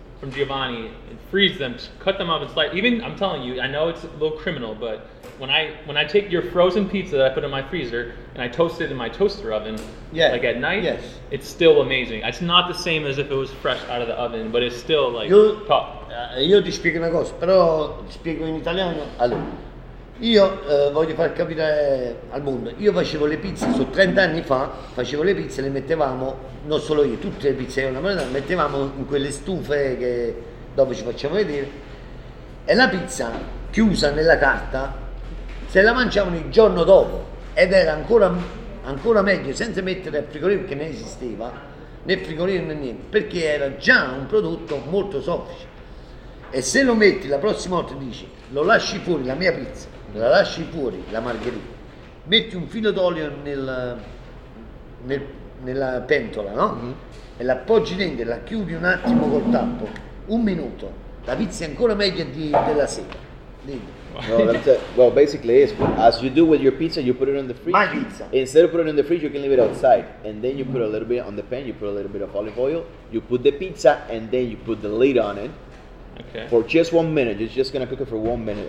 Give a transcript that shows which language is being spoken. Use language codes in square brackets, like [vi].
[en] from Giovanni and freeze them, cut them up and slice. Even, I'm telling you, I know it's a little criminal, but when I take your frozen pizza that I put in my freezer and I toast it in my toaster oven, like at night, it's still amazing. It's not the same as if it was fresh out of the oven, but it's still like top. [it] Io ti spiego una cosa, però ti spiego in italiano. Allora, io voglio far capire al mondo, io facevo le pizze, su 30 anni fa facevo le pizze, le mettevamo, non solo io, tutte le pizze una moneta, le mettevamo in quelle stufe che dopo ci facciamo vedere, e la pizza chiusa nella carta se la mangiavano il giorno dopo ed era ancora meglio, senza mettere al frigorifero, perché ne esisteva né frigorifero né niente, perché era già un prodotto molto soffice. E se lo metti la prossima volta, dici, lo lasci fuori la mia pizza, la lasci fuori la margherita, metti un filo d'olio nella pentola, no? Mm-hmm. E la appoggi dentro e la chiudi un attimo col tappo, un minuto, la pizza è ancora meglio della sera. [en] No, well, basically, it's as you do with your pizza, you put it in the fridge. My pizza. Instead of putting it in the fridge, you can leave it outside. And then you put a little bit on the pan, you put a little bit of olive oil, you put the pizza, and then you put the lid on it. Okay. For just 1 minute, it's just gonna cook it for 1 minute.